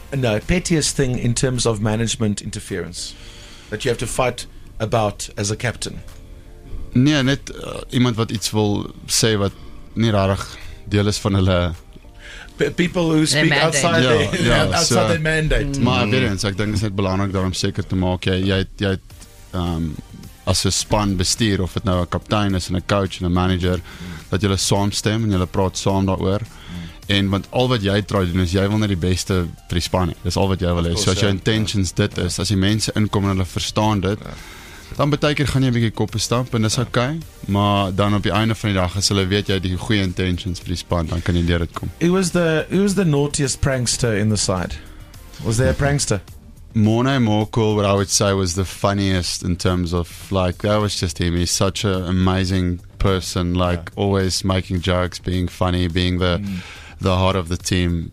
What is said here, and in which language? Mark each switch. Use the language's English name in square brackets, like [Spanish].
[English] No, pettiest thing in terms of management interference that you have to fight about as a captain. [Afrikaans] Nee, net iemand wat iets wil sê wat nie rarig deel is van hulle [English] people who speak their outside, outside their mandate. [Afrikaans] Maar weer eens, ek dink is net belangrik daarom seker te maak, jy het as 'n span bestuur, of het nou 'n kaptein is, en 'n coach, en 'n manager, dat jy saamstem, en jy praat saam daaroor, En want al wat jy try doen is jy wil net die beste vir die span hê. Dis al wat jy wil hê. So as jou intentions dit is, as die mense inkom en hulle verstaan dit, dan beteken gaan jy 'n bietjie koppe stamp en dis okay, maar dan op die einde van die dag as hulle weet jy het die goeie intentions vir die span, dan kan jy deur dit kom. [English] Who was the naughtiest prankster in the side? Was there a prankster? Morne Morkel, what I would say was the funniest in terms of, like, that was just him. He's such an amazing person, like, yeah, always making jokes, being funny, being the heart of the team.